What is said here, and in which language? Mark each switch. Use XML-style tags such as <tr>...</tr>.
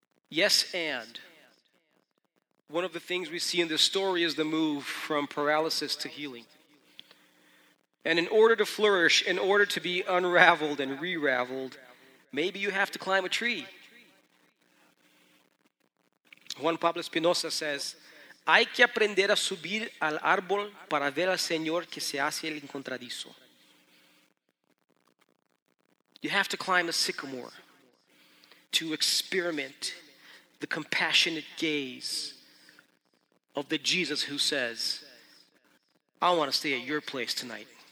<en>Yes, and one of the things we see in this story is the move from paralysis to healing. And in order to flourish, in order to be unraveled and reraveled, maybe you have to climb a tree. Juan Pablo Espinosa says,</en> <es>hay que aprender a subir al árbol para ver al Señor que se hace el encontradizo.</es> <en>You have to climb a sycamore to experiment the compassionate gaze of the Jesus who says, I want to stay at your place tonight.</en>